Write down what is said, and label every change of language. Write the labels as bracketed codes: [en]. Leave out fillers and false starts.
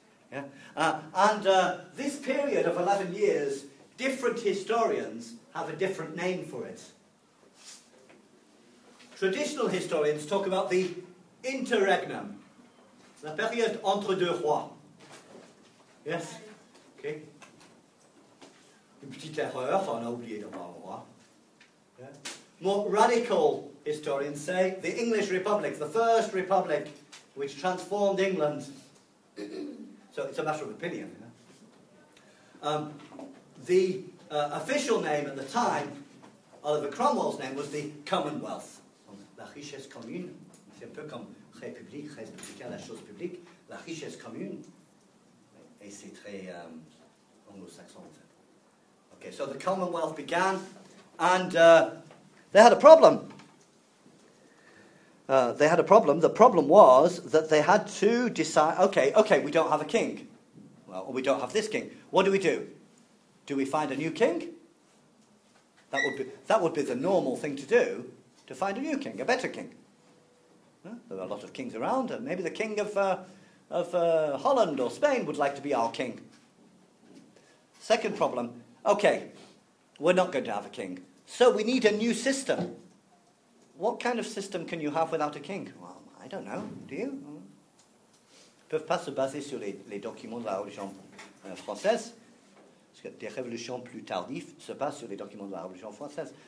[en] Yeah. This period of 11 years, different historians have a different name for it. Traditional historians talk about the interregnum, [fr] la période entre deux rois. [en] Yes? Okay. [fr] Une petite erreur, on a oublié d'avoir un roi. [en] More radical historians say the English Republic, the first republic which transformed England. So it's a matter of opinion. Yeah? The official name at the time, Oliver Cromwell's name, was the Commonwealth. [fr] La richesse commune. C'est un peu comme République, Res Publica, la chose publique. La richesse commune. Et c'est très anglo-saxon, en fait. [en] Okay, so the Commonwealth began, and they had a problem. They had a problem. The problem was that they had to decide, okay, we don't have a king. Well, we don't have this king. What do we do? Do we find a new king? That would be the normal thing to do, to find a new king, a better king. There are a lot of kings around, and maybe the king of Holland or Spain would like to be our king. Second problem, okay, we're not going to have a king, so we need a new system. What kind of system can you have without a king? Well, I don't know. Do you? [fr] Ils peuvent pas se baser sur les documents de la religion française, parce que des révolutions plus tardives se basent sur les documents de la religion française.